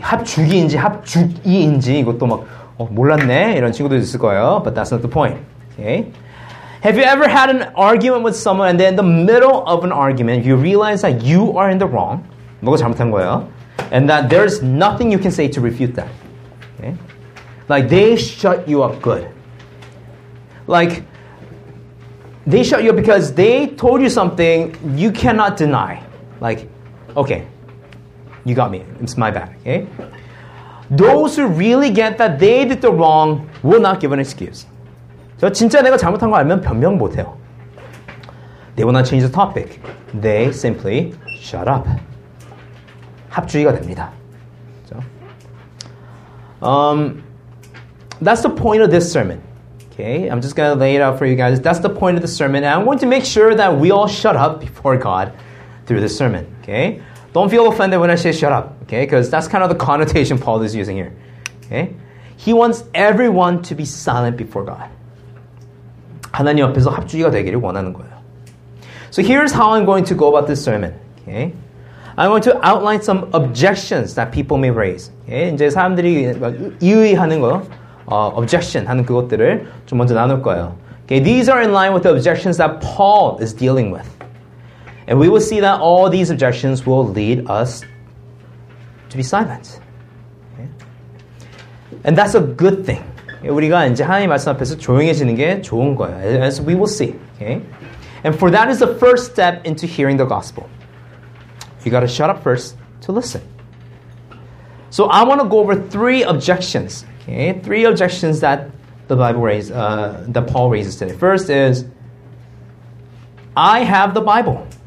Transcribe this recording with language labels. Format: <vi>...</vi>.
<ko>합죽이인지 합죽이인지 이것도 막 몰랐네 이런 친구도 있을 거예요.</ko> <en>But that's not the point. Okay. Have you ever had an argument with someone and then in the middle of an argument you realize that you are in the wrong?</en> <ko>뭐가 잘못한 거예요?</ko> <en>And that there's nothing you can say to refute that. Okay? Like they shut you up good. Like they shut you up because they told you something you cannot deny. Like, okay, you got me. It's my bad. Okay? Those who really get that they did the wrong will not give an excuse.</en> <ko>저 진짜 내가 잘못한 거 알면 변명 못 해요.</ko> <en>They will not change the topic. They simply shut up.</en> <ko>합주의가 됩니다.</ko> <en>So, that's the point of this sermon. Okay, I'm just going to lay it out for you guys. That's the point of the sermon. And I want to make sure that we all shut up before God through this sermon. Okay, don't feel offended when I say shut up. Okay, because that's kind of the connotation Paul is using here. Okay, he wants everyone to be silent before God.</en> <ko>하나님 앞에서 합주의가 되기를 원하는 거예요.</ko> <en>So here's how I'm going to go about this sermon. Okay. I'm going to outline some objections that people may raise.</en> <ko>Okay? 이제 사람들이 이의하는 거, objection 하는 그것들을 좀 먼저 나눌 거예요. Okay?</ko> <en>These are in line with the objections that Paul is dealing with. And we will see that all these objections will lead us to be silent. Okay? And that's a good thing. Okay?</en> <ko>우리가 이제 하나님 말씀 앞에서 조용해지는 게 좋은 거예요.</ko> <en>As we will see. Okay? And for that is the first step into hearing the gospel. You got to shut up first to listen. So I want to go over three objections. Okay, three objections that the Bible raises, that Paul raises today. First is, I have the Bible.</en>